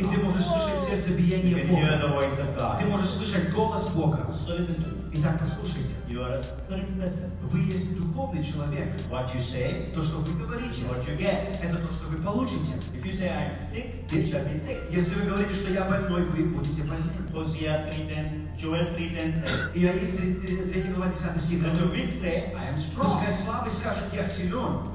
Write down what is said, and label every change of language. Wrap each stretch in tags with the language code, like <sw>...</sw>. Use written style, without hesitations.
<ru>И ты можешь слышать сердцебиение Бога.</ru> <en>You can hear the voice of God.</en> <ru>Ты можешь слышать голос Бога.</ru> <en>So listen to me.</en> <ru>Итак, послушайте.</ru> <en>You are a spirit person.</en> <ru>Вы есть духовный человек.</ru> <en>What you say,</en> <ru>то, что вы говорите,</ru> <en>what you get,</en> <ru>это то, что вы получите.</ru> <en>If you say, I'm sick, you shall be sick.</en> <ru>Если вы говорите, что я больной, вы будете больны.</ru> <en>Hosea 3:10, Joel 3:10 says.</en> <ru>Иаил 3:10 стих.</ru> <en>Let the weak say, I am strong.</en> <ru>Пускай слабый скажет, я силен.</ru>